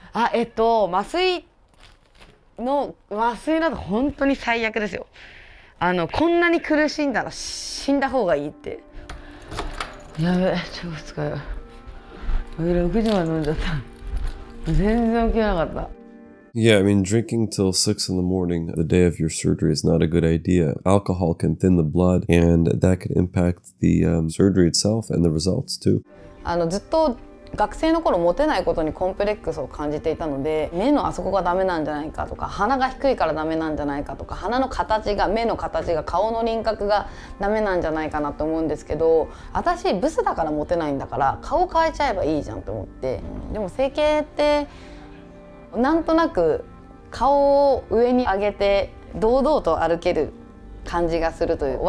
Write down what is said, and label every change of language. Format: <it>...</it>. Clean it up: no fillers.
<ja>あ、麻酔の麻酔など本当に最悪ですよ。あのこんなに苦しんだら死んだ方がいいって。やべえ、超疲れる。俺6時まで飲んじゃった。全然起きなかった。</ja> <en>Yeah, I mean, drinking till 6 in the morning the day of your surgery is not a good idea. Alcohol can thin the blood, and that could impact the surgery itself and the results too.</en> <ja>あのずっと学生の頃モテないことにコンプレックスを感じていたので、目のあそこがダメなんじゃないかとか、鼻が低いからダメなんじゃないかとか、鼻の形が、目の形が、顔の輪郭がダメなんじゃないかなと思うんですけど、私ブスだからモテないんだから顔変えちゃえばいいじゃんと思って、でも整形ってなんとなく顔を上に上げて堂々と歩ける感じがするという。</ja>